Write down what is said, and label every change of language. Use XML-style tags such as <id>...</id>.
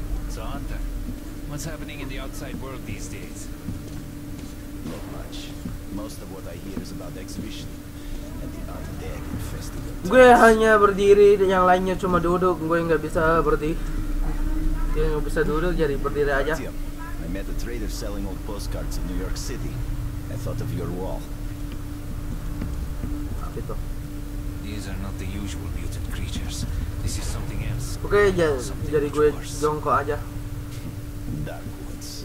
<en>So Hunter, what's happening in the outside world these days? Not much. Most of what I hear is about the exhibition and the undead festival.</en> <id>Gue hanya berdiri dan yang lainnya cuma duduk. Gue nggak bisa berdiri. Yang bisa duduk jadi berdiri aja.</id> <en>I met a trader selling old postcards in New York City. I thought of your wall.</en> <id>Apa itu?</id> <en>These are not the usual mutant creatures. This is something else.</en> <id>Okay, jadi gue jongkok aja.</id> <en>Dark Woods.</en>